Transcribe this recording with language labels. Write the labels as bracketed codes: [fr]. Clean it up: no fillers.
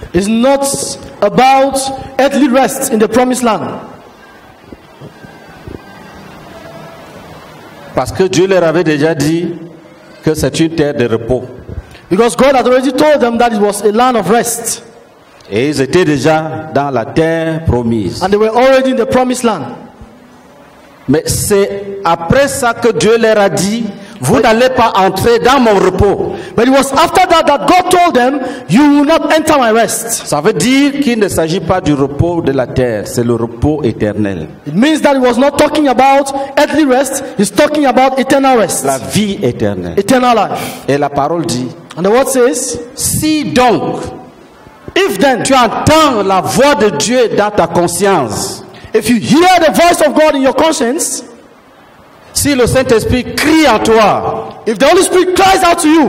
[en] It's not about earthly rest in the promised land. [fr] Parce que Dieu leur avait déjà dit que c'est une terre de repos. [en] Because God had already told them that it was a land of rest. [fr] Et ils étaient déjà dans la terre promise. [en] And they were already in the promised land. [fr] Mais c'est après ça que Dieu leur a dit, vous n'allez pas entrer dans mon repos. [en] But it was after that that God told them, you will not enter my rest. [fr] Ça veut dire qu'il ne s'agit pas du repos de la terre, c'est le repos éternel. [en] It means that he was not talking about earthly rest, he's talking about eternal rest. [fr] La vie éternelle. [en] Eternal life. [fr] Et la parole dit. [en] And the word says, [fr] si donc, [en] if then, [fr] tu entends la voix de Dieu dans ta conscience. [en] If you hear the voice of God in your conscience, [fr] si le Saint-Esprit crie en toi, [en] if the Holy Spirit cries out to you,